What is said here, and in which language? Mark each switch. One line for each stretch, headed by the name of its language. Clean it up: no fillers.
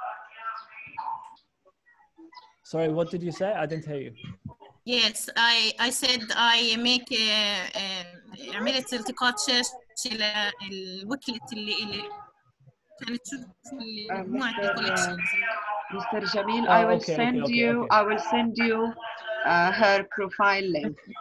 English: I sent a profile on Wakelet for you. What did you say? I didn't hear you.
Arabic: Yes, I said I make عملت التقاط شاشة للوكلت اللي كانت تشوف مجموعة الكوليكشنز.
English: Mr. Jamil, I will send you her profile link.